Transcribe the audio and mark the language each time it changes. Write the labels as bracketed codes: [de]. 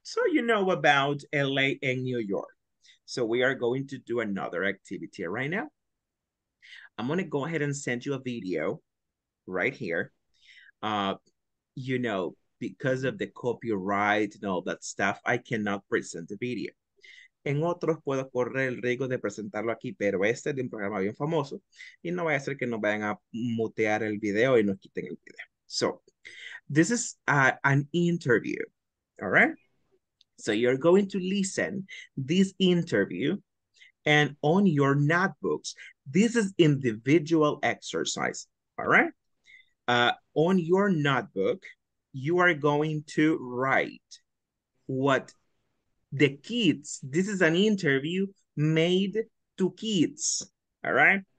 [en] So you know about LA and New York. So we are going to do another activity right now. I'm gonna go ahead and send you a video right here. You know, because of the copyright and all that stuff, I cannot present the video. [es] En otros puedo correr el riesgo de presentarlo aquí, pero este es de un programa bien famoso y no vaya a ser que nos vayan a mutear el video y nos quiten el video. [en] So, this is an interview, all right? So, you're going to listen this interview and on your notebooks, this is individual exercise, all right? On your notebook, you are going to write what the kids, this is an interview made to kids, all right?